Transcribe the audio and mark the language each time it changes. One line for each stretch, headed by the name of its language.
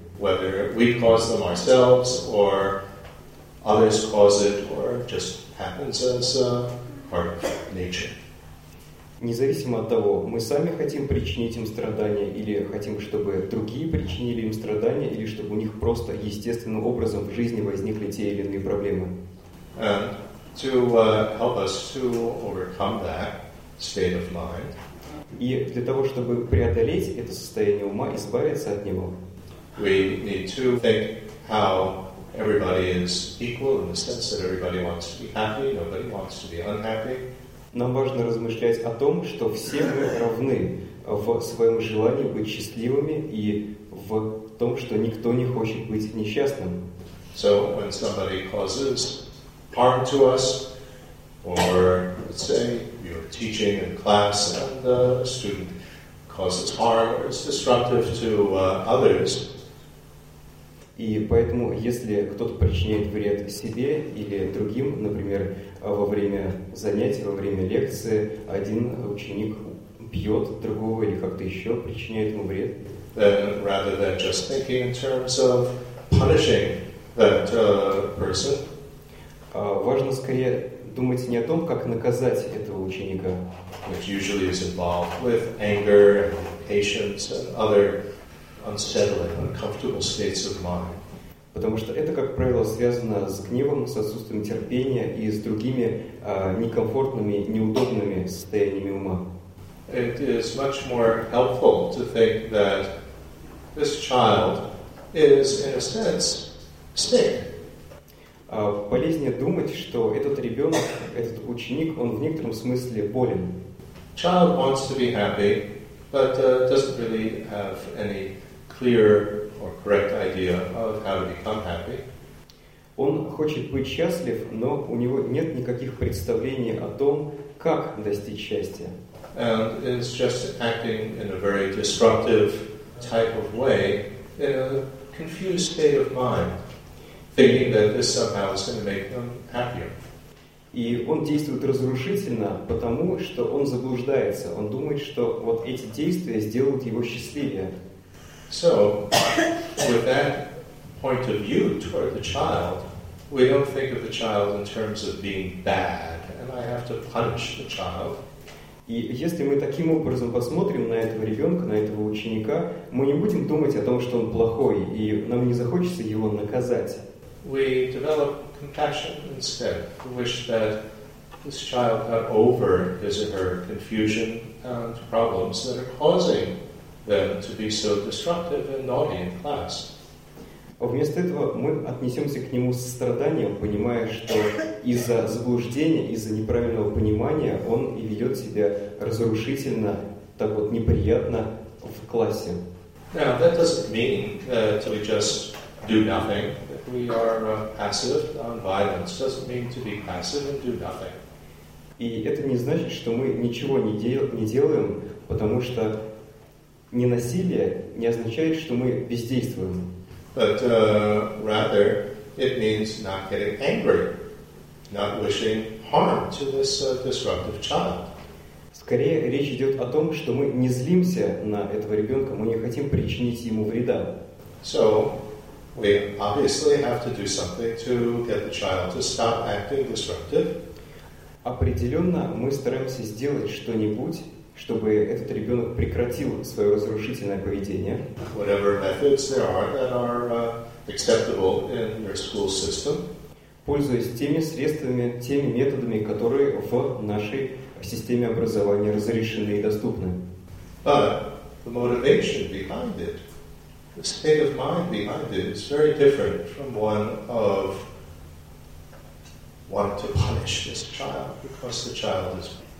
English: Whether we cause them ourselves, or others cause it, or just happens as part of nature.
Russian: Независимо от того, мы сами хотим причинить им страдания, или хотим, чтобы другие причинили им страдания, или чтобы у них просто естественным образом в жизни возникли те или иные проблемы.
English: And to help us to overcome that state of mind.
Russian: И для того, чтобы преодолеть это состояние ума, избавиться от него.
English: We need to think how everybody is equal in the sense that everybody wants to be happy, nobody wants to be unhappy.
Russian: Нам важно размышлять о том, что все мы равны в своем желании быть счастливыми и в том, что никто не хочет быть несчастным.
English: So when somebody causes harm to us, or let's say you're teaching in class and a student causes harm or is disruptive to others.
Russian: И поэтому, если кто-то причиняет вред себе или другим, например, во время занятий, во время лекции, один ученик бьет другого или как-то еще причиняет ему вред,
English: then rather than just thinking in terms of punishing that person,
Russian: важно скорее думайте не о том, как наказать этого ученика.
English: Which usually is involved with anger, patience, and other unsettling, uncomfortable states of mind.
Russian: Потому что это, как правило, связано с гневом, с отсутствием терпения и с другими некомфортными, неудобными состояниями ума.
English: It is much more helpful to think that this child is, in a sense, sick.
Russian: Полезнее думать, что этот ребенок, этот ученик, он в некотором смысле болен.
English: Child wants to be happy, but doesn't really have any clear or correct idea of how to become happy.
Russian: Он хочет быть счастлив, но у него нет никаких представлений о том, как достичь счастья.
English: And is just acting in a very destructive type of way, in a confused state of mind, thinking that this somehow is going to make them happier.
Russian: И он действует разрушительно, потому что он заблуждается. Он думает, что вот эти действия сделают его счастливее.
English: So, with that point of view toward the child, we don't think of the child in terms of being bad, and I have to punish the child.
Russian: И если мы таким образом посмотрим на этого ребенка, на этого ученика, мы не будем думать о том, что он плохой, и нам не захочется его наказать.
English: We develop compassion instead. We wish that this child got over his or her confusion and problems that are causing them to be so destructive and naughty in class.
Russian: Вместо этого мы отнесемся к нему с состраданием, понимая, что из-за заблуждения, из-за неправильного понимания он и ведет себя разрушительно, так вот неприятно в классе.
English: Now, that doesn't mean that we just do nothing, that we are passive, non-violence. Doesn't mean to be passive and do nothing.
Russian: И это не значит, что мы ничего не делаем, потому что ненасилие не означает, что мы бездействуем.
English: But rather, it means not getting angry, not wishing harm to this disruptive child.
Russian: Скорее, речь идет о том, что мы не злимся на этого ребенка, мы не хотим причинить ему вреда.
English: So, we obviously have to do something to get the child to stop acting disruptive.
Russian: Определенно, мы стараемся сделать что-нибудь, чтобы этот ребенок прекратил свое разрушительное поведение.
English: Whatever methods there are that are acceptable in your school system.
Russian: Пользуясь теми средствами, теми методами, которые в нашей системе образования разрешены и доступны.
English: But the motivation behind it, the state of mind behind it, is very different from one of wanting to punish this child because the child is.